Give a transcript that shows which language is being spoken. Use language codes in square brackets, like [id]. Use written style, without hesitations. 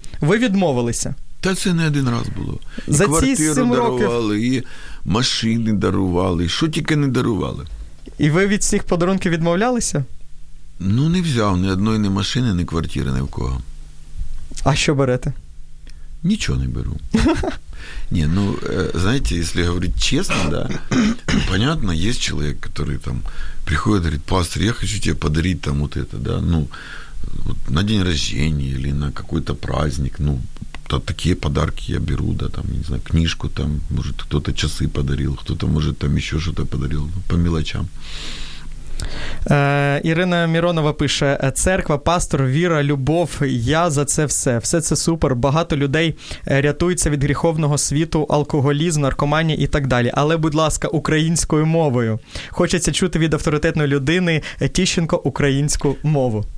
[uk] Ви відмовилися. Та це не один раз було. За ці 7 років. І квартиру дарували, і машини дарували, що тільки не дарували. І ви від цих подарунків відмовлялися? Ну, не взяв ні одної ні машини, ні квартири, ні в кого. А що берете? Нічого не беру. Ні, ну, знаєте, якщо говорити чесно, [ru] да, понятно, [uk] є чоловік, який там приходить, говорить: пастор, я хочу тебе подарити там [ru] от это, да, ну, вот на день рождения или на какой-то праздник, ну, то такие подарки я беру, да, там, не знаю, книжку там, может, кто-то часы подарил, кто-то, может, там еще что-то подарил, по мелочам. [uk] Ірина Міронова пише: «Церква, пастор, віра, любов, я за це все. Все це супер. Багато людей рятуються від гріховного світу, алкоголізм, наркоманія і так далі. Але, будь ласка, українською мовою. Хочеться чути від авторитетної людини Тищенко українську мову».